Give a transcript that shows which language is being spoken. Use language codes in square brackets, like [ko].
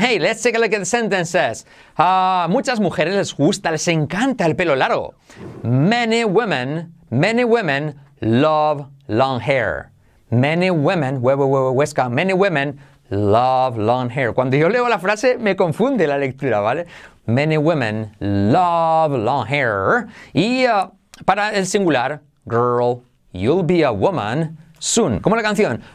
[en] Hey, let's take a look at the sentences. [es] Muchas mujeres les gusta, les encanta el pelo largo. [en] Many women love long hair. Many women, many women love long hair. [es] Cuando yo leo la frase, me confunde la lectura, ¿vale? [en] Many women love long hair. [es] Y para el singular, [en] girl, you'll be a woman soon. [es] Como la canción.